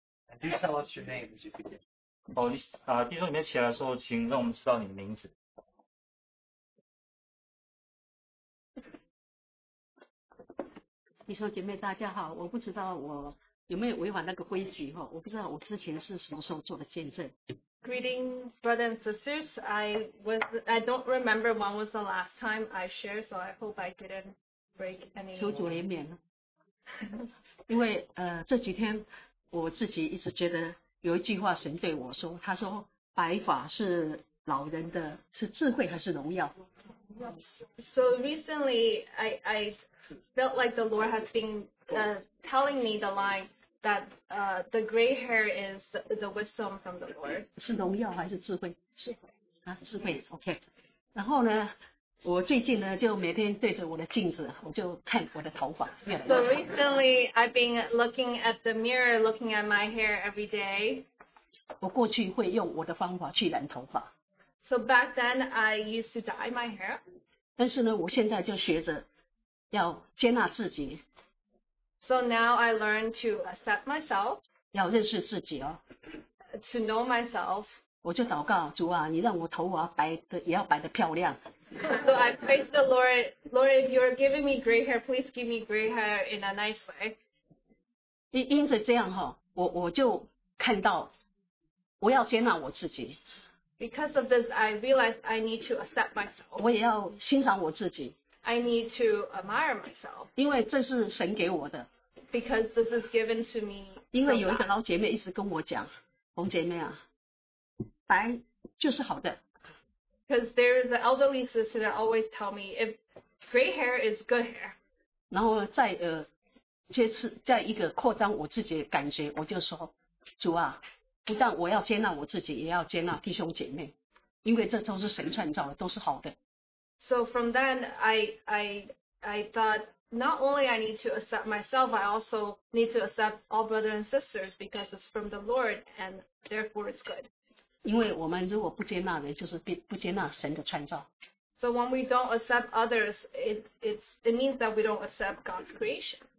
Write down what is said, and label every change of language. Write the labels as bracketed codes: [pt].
[en] And do tell us your name as you begin. [zh] 弟兄姊妹起来的时候，请让我们知道你的名字。弟兄姐妹，大家好！我不知道我有没有违反那个规矩哈，我不知道我之前是什么时候做的见证。 [en] Greeting brothers and sisters, I don't remember when was the last time I shared, so I hope I didn't break any. [zh] 求主怜悯，因为这几天我自己一直觉得有一句话神对我说，他说白发是老人的，是智慧还是荣耀？ [en] So recently, I felt like the Lord has been telling me the line that the gray hair is the wisdom from the Lord. [zh] 是荣耀还是智慧？智慧。啊，智慧。OK。 然后呢？我最近呢，就每天对着我的镜子，我就看我的头发。 [en] So recently, I've been looking at the mirror, looking at my hair every day. [zh] 我过去会用我的方法去染头发。 [en] So back then, I used to dye my hair. [zh] 但是呢，我现在就学着要接纳自己。 [en] So now I learn to accept myself. [zh] 要认识自己哦。 [en] To know myself. [zh] 我就祷告，主啊，你让我头发白的，也要白的漂亮。 [en] So I pray to the Lord, Lord, if you're giving me gray hair, please give me gray hair in a nice way. [zh] 因着这样，我就看到我要接纳我自己。 [en] Because of this, I realized I need to accept myself. [zh] 我也要欣赏我自己。 [en] I need to admire myself. [zh] 因为这是神给我的。 [en] Because this is given to me. [zh] 因为有一个老姐妹一直跟我讲，红姐妹啊，白就是好的。 [en] Because there is an elderly sister that always tell me if gray hair is good hair. [zh] 然后再接次再一个扩张我自己的感觉，我就说，主啊，不但我要接纳我自己，也要接纳弟兄姐妹，因为这都是神创造的，都是好的。 [en] So from then I thought not only I need to accept myself, I also need to accept all brothers and sisters because it's from the Lord and therefore it's good. [zh] 因为我们如果不接纳人，就是不接纳神的创造。 [en] So when we don't accept others, it means that we don't accept God's creation.